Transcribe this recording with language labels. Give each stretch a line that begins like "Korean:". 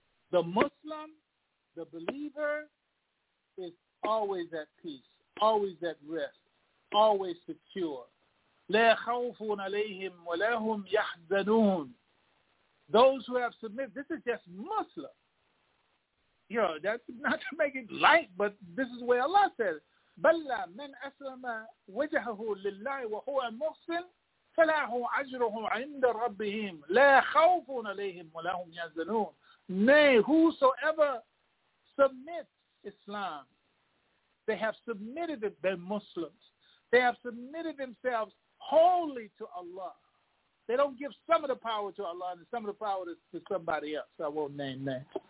English: The Muslim, the believer, is always at peace, always at rest, always secure.
Arabic: La khawfun alayhim wa lahum yahzanun.
English: Those who have submitted, this is just Muslim. You know, that's not to make it light, but this is where Allah says,
Arabic: بَلَّا مَنْ أَسْلَمَ وَجَهَهُ لِلَّهِ وَهُوَ مُحْسِنٌ فَلَهُ أَجْرُهُ عِنْدَ رَبِّهِمْ لَا خَوْفٌ عَلَيْهِمْ وَلَا هُمْ يَحْزَنُونَ.
English: Nay, whosoever submits Islam, they have submitted it, they're Muslims. They have submitted themselves wholly to Allah. They don't give some of the power to Allah and some of the power to somebody else. I won't name names.